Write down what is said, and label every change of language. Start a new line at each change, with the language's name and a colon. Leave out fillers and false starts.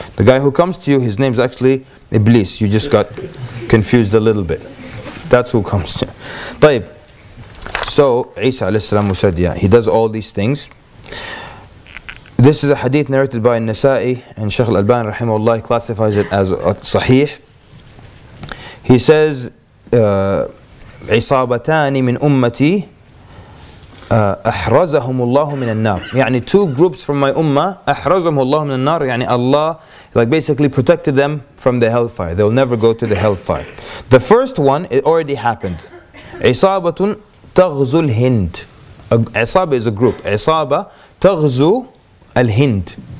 English: The guy who comes to you, his name's actually Iblis. You just got confused a little bit. That's who comes to you. Taib. So, Isa alayhi salam said, yeah, he does all these things. This is a hadith narrated by Nasa'i, and Shaykh al-Albani rahimahullah classifies it as sahih.
Arabic: He says, عصابتان من أمتي أحرزهم الله من النار. يعني
English: two groups from my ummah,
Arabic: أحرزهم الله من النار.
English: يعني Allah like basically protected them from the hellfire. They'll never go to the hellfire. The first one, it already happened.
Arabic: عصابة تغزو الهند. عصابة
English: is a group.
Arabic: عصابة تغزو الهند.